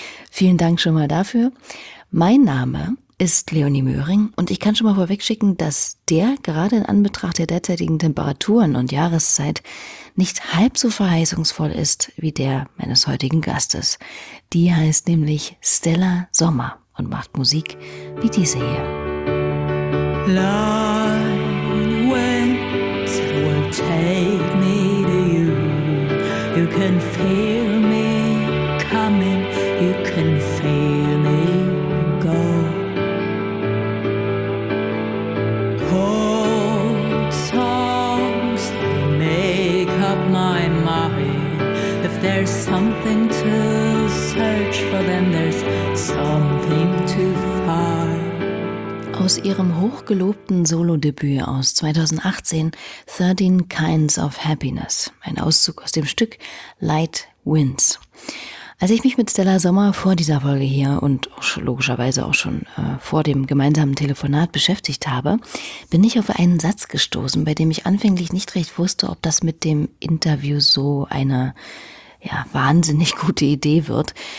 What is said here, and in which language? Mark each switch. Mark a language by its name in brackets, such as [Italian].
[German] Vielen Dank schon mal dafür. Mein Name ist Leonie Möhring und ich kann schon mal vorwegschicken, dass der gerade in Anbetracht der derzeitigen Temperaturen und Jahreszeit nicht halb so verheißungsvoll ist wie der meines heutigen Gastes. Die heißt nämlich Stella Sommer und macht Musik wie diese hier. [English] Line went, will take me to you. You can feel me coming, you can feel me go. Cold songs, they make up my mind. If there's something to search for, then there's something to find. [German] Aus ihrem hochgelobten Solo-Debüt aus 2018, 13 Kinds of Happiness, ein Auszug aus dem Stück Light Winds. Als ich mich mit Stella Sommer vor dieser Folge hier und logischerweise auch schon vor dem gemeinsamen Telefonat beschäftigt habe, bin ich auf einen Satz gestoßen, bei dem ich anfänglich nicht recht wusste, ob das mit dem Interview so eine wahnsinnig gute Idee wird.